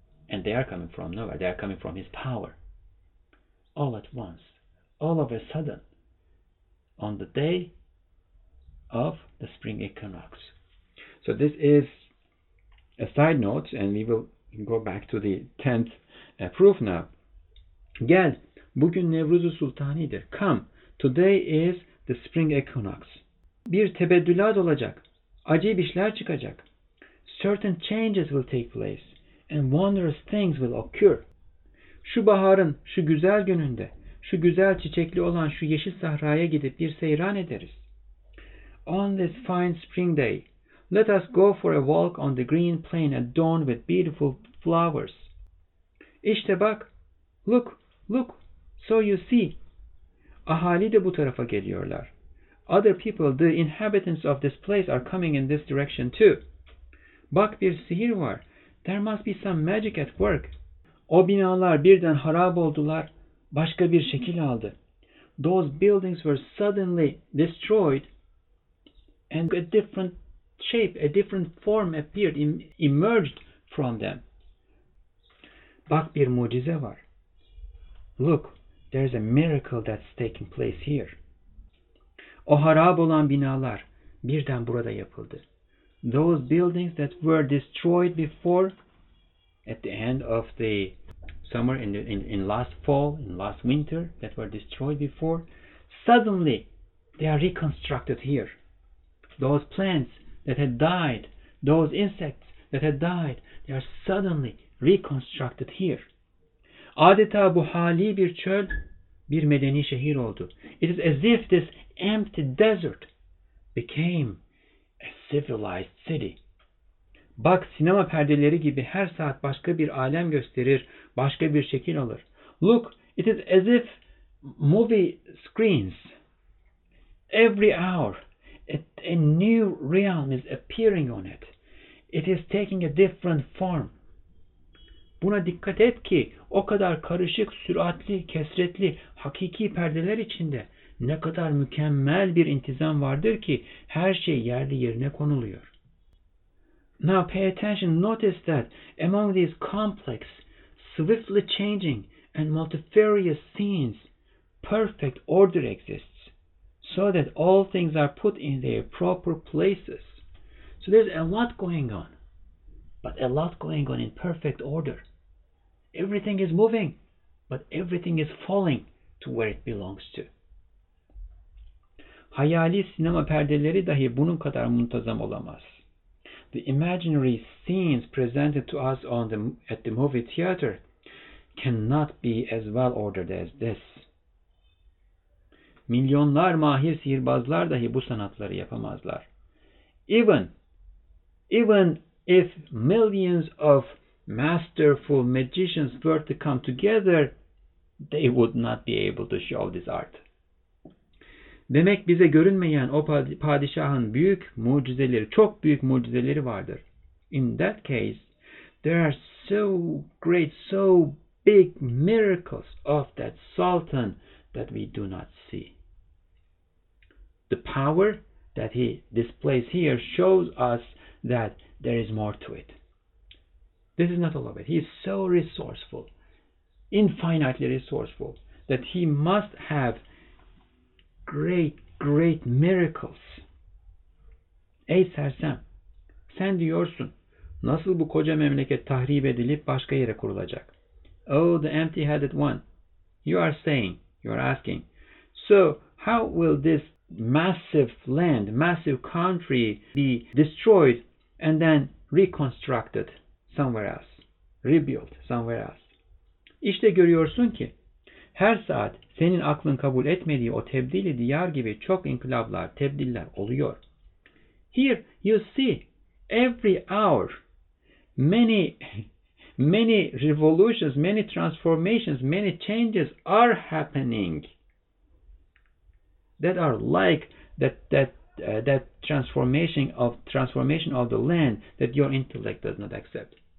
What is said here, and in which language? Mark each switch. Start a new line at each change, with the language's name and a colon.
English: And they are coming from nowhere. They are coming from his power. All at once. All of a sudden. On the day of the spring equinox. So this is a side note. And we will go back to the 10th proof now.
Turkish: Gel, bugün Nevruz-u Sultani'dir.
English: Come, today is the spring equinox.
Turkish: Bir tebeddülat olacak. Acayip işler çıkacak.
English: Certain changes will take place. And wondrous things will occur.
Turkish: Şu baharın, şu güzel gününde, şu güzel çiçekli olan şu yeşil sahraya gidip bir seyran ederiz.
English: On this fine spring day, let us go for a walk on the green plain adorned with beautiful flowers.
Turkish: İşte bak,
English: look, so you see.
Turkish: Ahali de bu tarafa geliyorlar.
English: Other people, the inhabitants of this place, are coming in this direction too.
Turkish: Bak, bir sihir var.
English: There must be some magic at work.
Turkish: O binalar birden harap oldular, başka bir şekil aldı.
English: Those buildings were suddenly destroyed and a different shape, a different form appeared, emerged from them.
Turkish: Bak bir mucize var.
English: Look, there's a miracle that's taking place here.
Turkish: O harap olan binalar birden burada yapıldı.
English: Those buildings that were destroyed before, at the end of the summer, in last fall, in last winter, that were destroyed before, suddenly they are reconstructed here. Those plants that had died, those insects that had died, they are suddenly reconstructed here.
Turkish: Adeta bu hali bir çöl, bir medeni şehir oldu.
English: It is as if this empty desert became a civilized city.
Turkish: Bak, sinema perdeleri gibi her saat başka bir alem gösterir, başka bir şekil alır.
English: Look, it is as if movie screens, every hour, a new realm is appearing on it. It is taking a different form.
Turkish: Buna dikkat et ki o kadar karışık, süratli, kesretli, hakiki perdeler içinde ne kadar mükemmel bir intizam vardır ki her şey yerli yerine konuluyor.
English: Now pay attention, notice that among these complex, swiftly changing and multifarious scenes, perfect order exists, so that all things are put in their proper places. So there's a lot going on, but a lot going on in perfect order. Everything is moving, but everything is falling to where it belongs to.
Turkish: Hayali sinema perdeleri dahi bunun kadar muntazam olamaz.
English: The imaginary scenes presented to us at the movie theater cannot be as well ordered as this.
Turkish: Milyonlar mahir sihirbazlar dahi bu sanatları yapamazlar.
English: Even if millions of masterful magicians were to come together, they would not be able to show this art.
Turkish: Demek bize görünmeyen o padişahın büyük mucizeleri, çok büyük mucizeleri vardır.
English: In that case, there are so great, so big miracles of that sultan that we do not see. The power that he displays here shows us that there is more to it. This is not all of it. He is so resourceful, infinitely resourceful, that he must have great, great miracles.
Turkish: Ey sersem, sen diyorsun, nasıl bu koca memleket tahrip edilip başka yere kurulacak?
English: Oh, the empty-headed one. You are asking. So, how will this massive land, massive country be destroyed and then reconstructed somewhere else, rebuilt somewhere else?
Turkish: İşte görüyorsun ki, her saat senin aklın kabul etmediği o tebdili diyar gibi çok inkılaplar, tebdiller oluyor.
English: Here you see, every hour, many, many revolutions, many transformations, many changes are happening. That are like that transformation of the land that your intellect does not accept.